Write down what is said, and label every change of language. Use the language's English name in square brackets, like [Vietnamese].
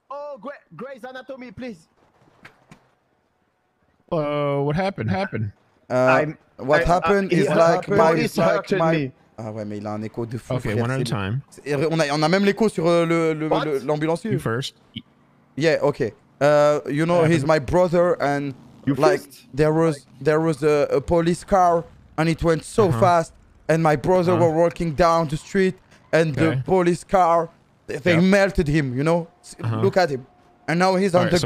[English] Oh, Grey's Anatomy, please. What happened? What happened is like my like my. [French] Ah ouais, mais il a un écho de fou. [English] Okay, one at a time. [French] On a même l'écho sur l'ambulancier. [English] You first. Yeah. Okay. You know, he's my brother, and you like first? there was a police car, and it went so fast, and my brother were walking down the street, and the police car, they melted him. You know, look at him, and now he's on the ground.